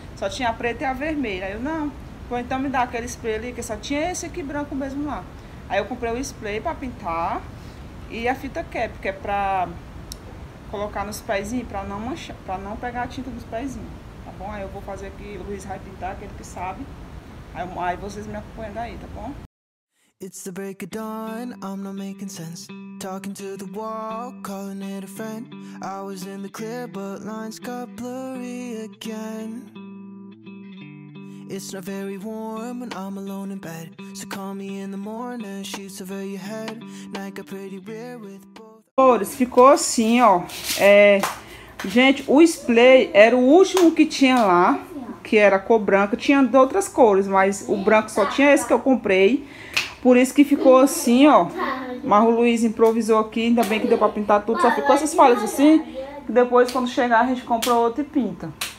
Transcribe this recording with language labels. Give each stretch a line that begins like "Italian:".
Portuguese: Só tinha a preta e a vermelha. Aí eu, não, vou então me dar aquele spray ali, que só tinha esse aqui branco mesmo lá. Aí eu comprei o spray pra pintar e a fita cap, que é pra... colocar nos pezinhos pra não manchar, pra não pegar a tinta dos pezinhos, tá bom? Aí eu vou fazer aqui, o Luiz vai pintar, aquele que sabe. Aí vocês me acompanhando aí, tá bom?
English: It's the break of dawn, I'm not making sense. Talking to the wall, calling it a friend. I was in the clear, but lines got blurry again. It's not very warm when I'm alone in bed. So call me in the morning, shoot over your head. Night got pretty rare with...
Portuguese: Ficou assim, ó. É, gente, o spray era o último que tinha lá, que era cor branca. Tinha de outras cores, mas o branco só tinha esse que eu comprei. Por isso que ficou assim, ó. Mas o Luiz improvisou aqui. Ainda bem que deu pra pintar tudo. Só ficou essas folhas assim. Que depois, quando chegar, a gente compra outra e pinta.